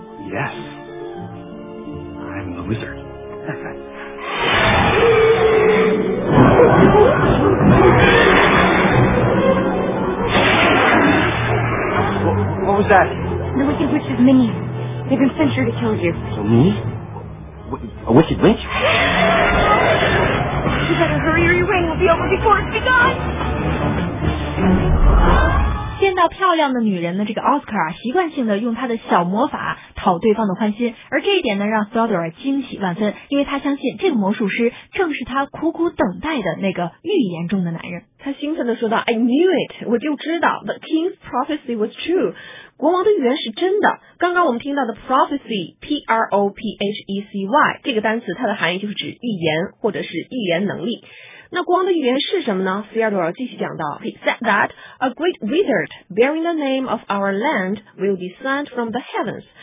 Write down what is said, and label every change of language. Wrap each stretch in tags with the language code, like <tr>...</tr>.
<en>Yes, I'm the wizard. what was that? The wicked witch's minions. They've been sent here to kill you. Kill me? A wicked witch? You better hurry or your rain will be over before it's begun.</en> <zh>见到漂亮的女人的这个奥斯卡习惯性的用她的小魔法讨对方的欢心，而这一点呢让 Theodore 惊喜万分，因为他相信这个魔术师正是他苦苦等待的那个预言中的男人。他兴奋地说道，</zh> <en>I knew it，</en> <zh>我就知道</zh> <en>The king's prophecy was true，</en> <zh>国王的预言是真的。刚刚我们听到的 prophecy， P-R-O-P-H-E-C-Y， 这个单词它的含义就是指预言或者是预言能力。那国王的预言是什么呢？</zh> <en>Theodore</en> <zh>继续讲到，</zh> <en>He said that a great wizard bearing the name of our land will descend from the heavens.</en>